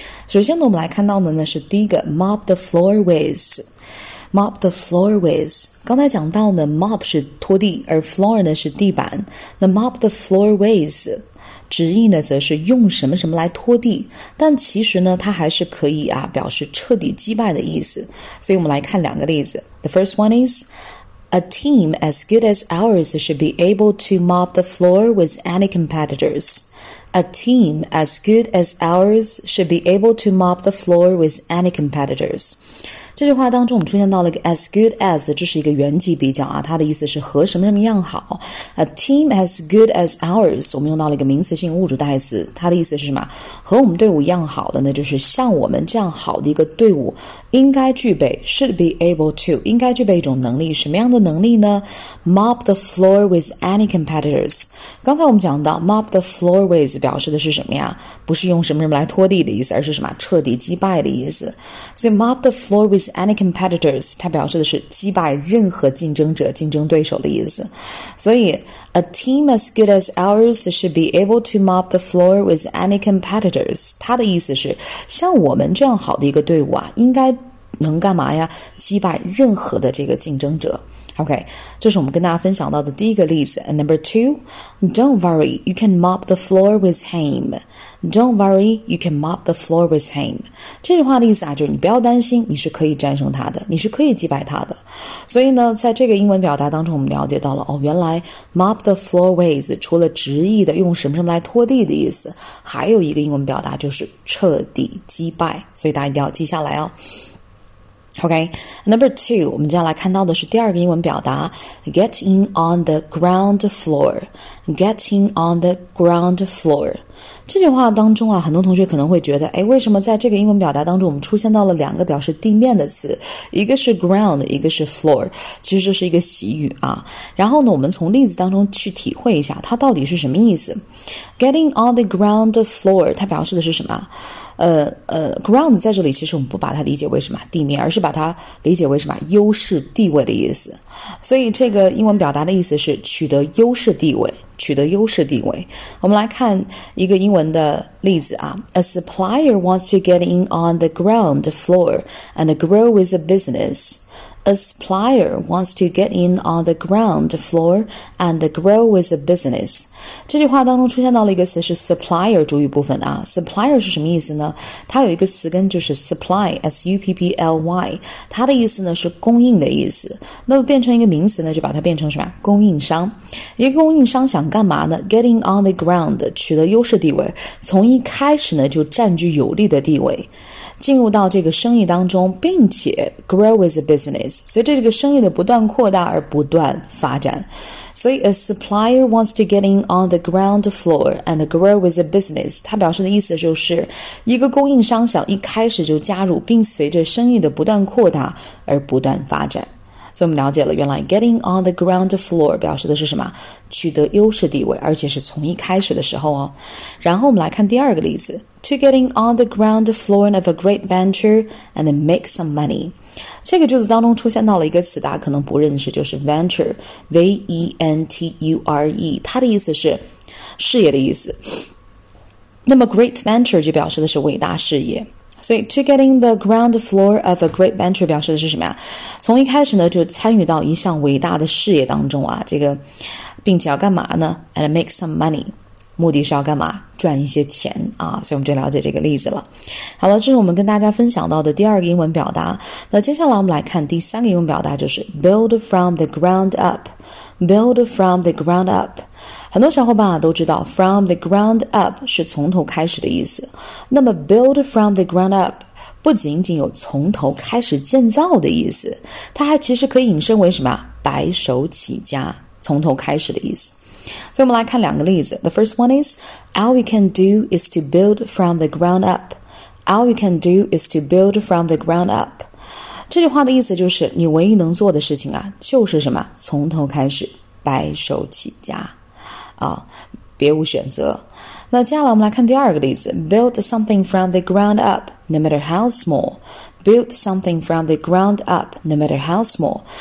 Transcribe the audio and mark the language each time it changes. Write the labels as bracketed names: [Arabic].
[Chinese] 首先呢，我们来看到的呢是第一个 [English] mop the floor withMop the floor with. [Chinese] 刚才讲到呢 ,mop 是拖地，而 floor 呢是地板。那 [English] mop the floor with, [Chinese] 直译呢则是用什么什么来拖地。但其实呢它还是可以啊表示彻底击败的意思。所以我们来看两个例子。 [English] The first one is, a team as good as ours should be able to mop the floor with any competitors. A team as good as ours should be able to mop the floor with any competitors. [Chinese] 这句话当中我们出现到了一个 [English] as good as, [Chinese] 这是一个原级比较啊，它的意思是和什么什么样好。 [English] A team as good as ours, [Chinese] 我们用到了一个名词性物主代词，它的意思是什么？和我们队伍一样好的呢，就是像我们这样好的一个队伍，应该具备 [English] should be able to, [Chinese] 应该具备一种能力，什么样的能力呢？ [English] mop the floor with any competitors。 [Chinese] 刚才我们讲到 [English] mop the floor with [Chinese] 表示的是什么呀？不是用什么什么来拖地的意思，而是什么彻底击败的意思。所以 [English] mop the floor withAny competitors, [Chinese] 它表示的是击败任何竞争者、竞争对手的意思。 [English] 所以 a team as good as ours should be able to mop the floor with any competitors. [Chinese] 它的意思是，像我们这样好的一个队伍啊，应该能干嘛呀？击败任何的这个竞争者。OK, 这是我们跟大家分享到的第一个例子。 [English] And number two, don't worry, you can mop the floor with him. Don't worry, you can mop the floor with him. [Chinese] 这句话的意思啊，就是你不要担心，你是可以战胜他的，你是可以击败他的。所以呢，在这个英文表达当中，我们了解到了，哦，原来 [English] mop the floor with, [Chinese] 除了直译的用什么什么来拖地的意思，还有一个英文表达就是彻底击败。所以大家一定要记下来哦。 [English] OK, number two, [Chinese] 我们接下来看到的是第二个英文表达 [English] getting on the ground floor, [Chinese] getting on the ground floor. 这句话当中啊，很多同学可能会觉得，哎，为什么在这个英文表达当中我们出现到了两个表示地面的词，一个是 ground, 一个是 floor, 其实这是一个习语啊。然后呢，我们从例子当中去体会一下它到底是什么意思。 [English] Getting on the ground floor, [Chinese] 它表示的是什么？ ground 在这里其实我们不把它理解为什么地面，而是把它理解为什么优势地位的意思。所以这个英文表达的意思是取得优势地位，取得优势地位。我们来看一个英文的例子啊。 [English] A supplier wants to get in on the ground floor and grow with a business. A supplier wants to get in on the ground floor and grow with a business. [Chinese] 这句话当中出现到了一个词是 supplier 主语部分啊。Supplier 是什么意思呢？它有一个词根就是 supply, S-U-P-P-L-Y, 它的意思呢是供应的意思。那么变成一个名词呢，就把它变成什么？供应商。一个供应商想干嘛呢？ [English] Get in on the ground, [Chinese] 取得优势地位，从一开始呢就占据有利的地位，进入到这个生意当中，并且 [English] grow with a business, [Chinese] 随着这个生意的不断扩大而不断发展。所以 [English] a supplier wants to get in on the ground floor and grow with a business, [Chinese] 它表示的意思就是一个供应商想一开始就加入，并随着生意的不断扩大而不断发展。所以我们了解了，原来 [English] getting on the ground floor [Chinese] 表示的是什么？取得优势地位，而且是从一开始的时候哦。然后我们来看第二个例子。 [English] To getting on the ground floor of a great venture and make some money. [Chinese] 这个句子当中出现到了一个词大家可能不认识，就是 venture, V-E-N-T-U-R-E, 它的意思是事业的意思。那么 [English] great venture [Chinese] 就表示的是伟大事业。所以 [English] to getting the ground floor of a great venture [Chinese] 表示的是什么呀？从一开始呢就参与到一项伟大的事业当中啊，这个并且要干嘛呢？ [English] And make some money， [Chinese] 目的是要干嘛？赚一些钱啊。所以我们就了解这个例子了。好了，这是我们跟大家分享到的第二个英文表达。那接下来我们来看第三个英文表达，就是 [English] build from the ground up。 Build from the ground up， [Chinese] 很多小伙伴啊都知道 [English] from the ground up [Chinese] 是从头开始的意思。那么 [English] build from the ground up [Chinese] 不仅仅有从头开始建造的意思，它还其实可以引申为什么白手起家，从头开始的意思。所以我们来看两个例子。 [English] The first one is All you can do is to build from the ground up. All you can do is to build from the ground up. [Chinese] 这句话的意思就是你唯一能做的事情啊就是什么，从头开始白手起家啊，别无选择。那接下来我们来看第二个例子， [English] build something from the ground up no matter how small， build something from the ground up no matter how small。